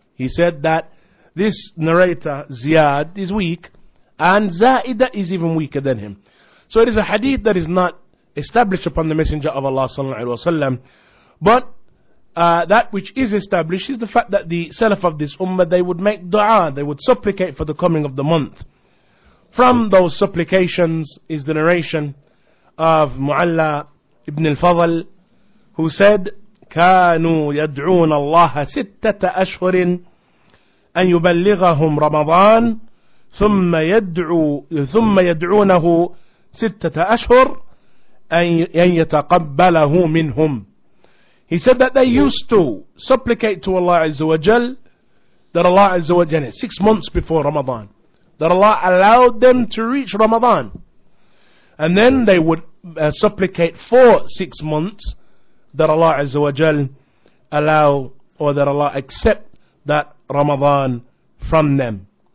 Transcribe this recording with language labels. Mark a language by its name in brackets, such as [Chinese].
[English] He said that this narrator, Ziyad, is weak, and Zaida is even weaker than him. So it is a hadith that is not established upon the Messenger of Allah sallallahu alaihi wasallam, but that which is established is the fact that the salaf of this ummah, they would make dua, they would supplicate for the coming of the month. From those supplications is the narration of Mu'alla ibn al-Fadl, who said, [Arabic] كانوا يدعون الله ستة أشهر أن يبلغهم رمضان ثم يدعونه ستة أشهر أن يتقبله منهم. [English] He said that they used to supplicate to Allah Azza wa Jal, that Allah Azza wa Jal, 6 months before Ramadan, that Allah allowed them to reach Ramadan. And then they would supplicate for 6 months, that Allah Azza wa Jal allow, or that Allah accept that Ramadan from them.